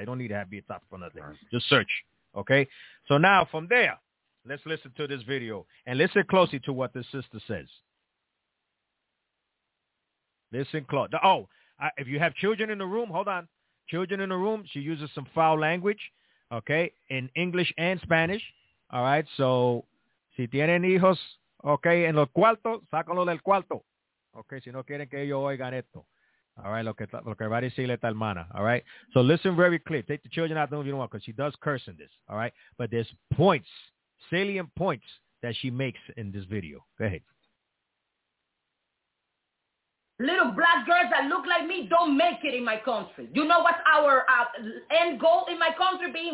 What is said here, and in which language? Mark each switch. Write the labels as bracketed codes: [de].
[en] You don't need to be a topic for another day. Just search. Okay? So now from there, let's listen to this video. And listen closely to what this sister says. Listen, Claude. Oh, if you have children in the room, hold on. Children in the room, she uses some foul language, okay, in English and Spanish. All right, so [es] si tienen hijos, okay, en los cuartos, sácalo del cuarto. Okay, si no quieren que ellos oigan esto. [en] All right, [es] lo que va a decirle esta hermana. [en] All right, so listen very clear. Take the children out of the room if you don't want, because she does curse in this. All right, but there's points, salient points that she makes in this video. Go ahead. Little black girls that look like me don't make it in my country. You know what's our end goal in my country being?